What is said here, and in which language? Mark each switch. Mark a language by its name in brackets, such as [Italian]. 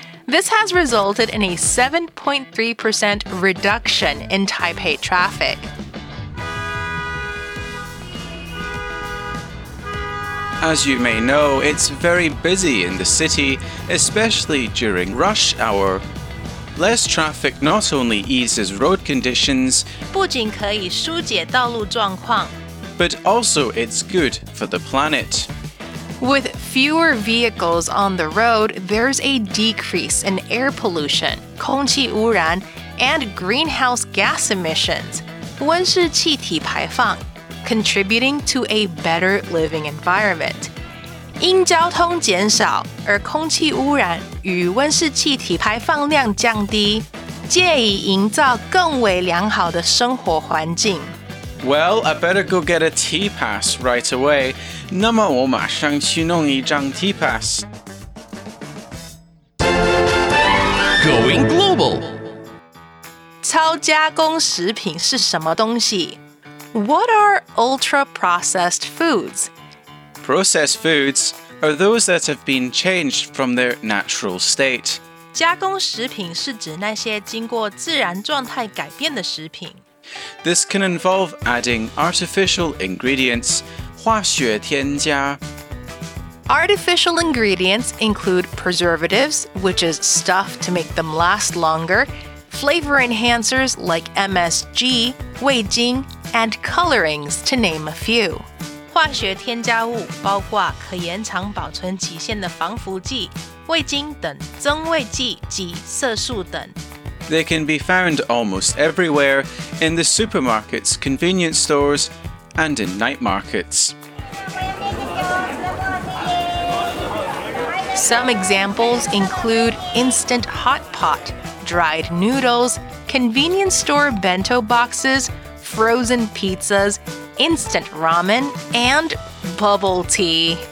[English] This has resulted in a 7.3% reduction in Taipei traffic. As you may know, it's very busy in the city, especially during rush hour. Less traffic not only eases road conditions, [Chinese] 不仅可以疏解道路状况, [English] but also it's good for the planet. With fewer vehicles on the road, there's a decrease in air pollution, [Chinese] 空气污染, [English] and greenhouse gas emissions, [Chinese] 温室气体排放。 [English] Contributing to a better living environment. [Chinese] 因交通减少而空气污染与温室气体排放量降低，借以营造更为良好的生活环境。 [English] Well, I better go get a T-Pass right away. [Chinese] 那么我马上去弄一张 [English] T-Pass. Going global. [Chinese] 超加工食品是什么东西？ [English] What are ultra-processed foods? Processed foods are those that have been changed from their natural state. [Chinese] 加工食品是指那些经过自然状态改变的食品。 [English] This can involve adding artificial ingredients, [Chinese] 化学添加。 [English] Artificial ingredients include preservatives, which is stuff to make them last longer, flavor enhancers like MSG, 味精,and colorings, to name a few. [Chinese] 化学添加物包括可延长保存期限的防腐剂、味精等增味剂及色素等。 [English] They can be found almost everywhere, in the supermarkets, convenience stores, and in night markets. Some examples include instant hot pot, dried noodles, convenience store bento boxes,frozen pizzas, instant ramen, and bubble tea.